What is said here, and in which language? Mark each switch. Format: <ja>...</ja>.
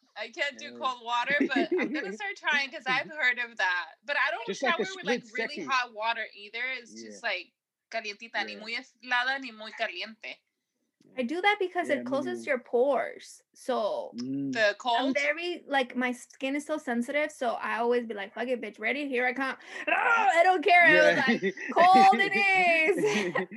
<en>I can't do cold water, but I'm going to start trying because I've heard of that. But I don't shower with like really hot water either. It's just like</en> <es>calientita, ni muy helada, ni muy caliente.</es> <en>I do that because it closes your pores. So the cold. I'm very, like, my skin is so sensitive. So I always be like, fuck it, bitch, ready? Here I come. I don't care. Yeah. I was like, cold it is.</en>